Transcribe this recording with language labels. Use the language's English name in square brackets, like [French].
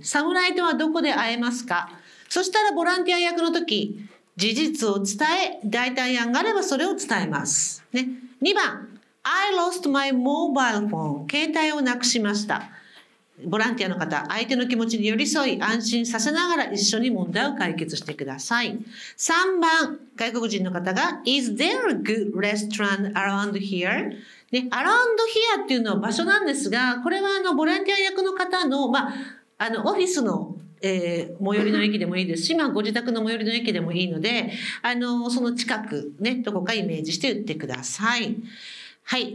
[Japanese] samurai とはどこで会えますか。そしたらボランティア役の時、事実を伝え、代替案があればそれを伝えます、ね、2番、 [English] I lost my mobile phone. [Japanese] 携帯をなくしました。ボランティアの方、相手の気持ちに寄り添い、安心させながら一緒に問題を解決してください。 3番、外国人の方が、 [English] Is there a good restaurant around here? [Japanese] ね、 [English] around here [Japanese] っていうのは場所なんですが、これはボランティア役の方の、まあ、オフィスの最寄りの駅でもいいですし、まあ、ご自宅の最寄りの駅でもいいので、その近く、ね、どこかイメージして言ってください。はい。